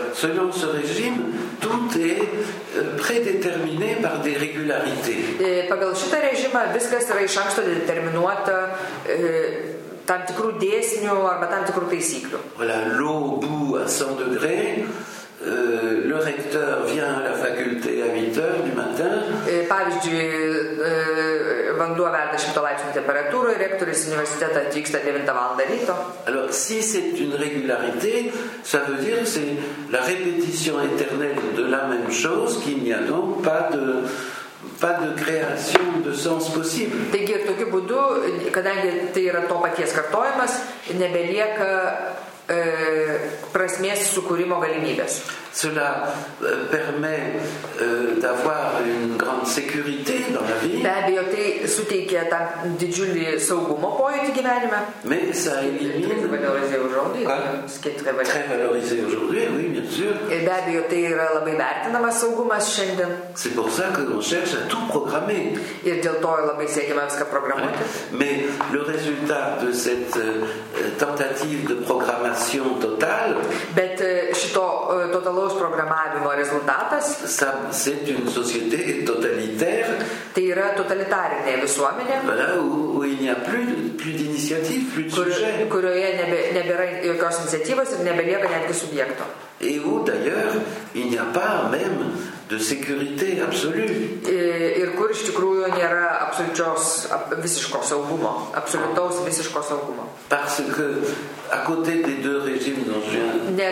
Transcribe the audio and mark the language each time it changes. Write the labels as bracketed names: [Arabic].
[French] Selon ce régime, tout est prédéterminé par des régularités. [Lithuanian] Pagal šitą režimą viskas yra iš anksto determinuota tam tikrų dėsnių arba tam tikrų taisyklių. [French] Voilà, l'eau bout à 100 degrés, le recteur vient à la faculté à 8h du matin. [Lithuanian] Pavyzdžiui, vanduo verda 100 laipsnių temperatūroje, rektorius universitetą atvyksta 9 val. Ryto. [French] Alors, si c'est une régularité, ça veut dire que c'est la répétition éternelle de la même chose, qu'il n'y a donc pas de création de sens possible. [Lithuanian] Taigi, tokiu būdu, kadangi tai yra to paties kartojimas, nebelieka prasmės sukūrimo galimybės. [French] Cela permet d'avoir une grande sécurité dans la vie. [Lithuanian] Be abejo, tai suteikia tam didžiulį saugumo pojūtį gyvenime. [French] Mais ça élimine... Très valorisé aujourd'hui, oui, bien sûr. [Lithuanian] Et be abejo, tai yra labai vertinamas saugumas šiandien. [French] C'est pour ça que l'on cherche à tout programmer. [Lithuanian] Ir dėl to labai siekiama viską programuoti. [French] Mais le résultat de cette tentative de programmation totale... [Lithuanian] Bet šito totalaus programavimo rezultatas. [French] Ça, c'est une société totalitaire. [Lithuanian] Tai yra totalitarinė visuomenė. [French] Voilà, où il n'y a plus d'initiatives, plus de sujets. [Lithuanian] Kurioje nebėra jokios iniciatyvos ir nebelieka netgi subjekto. [French] Et où, d'ailleurs, il n'y a pas même de sécurité absolue. [Lithuanian] Ir kur iš tikrųjų nėra absoliučios visiško saugumo. Absoliutaus visiško saugumo. [French] Parce que à côté des deux régimes dont je viens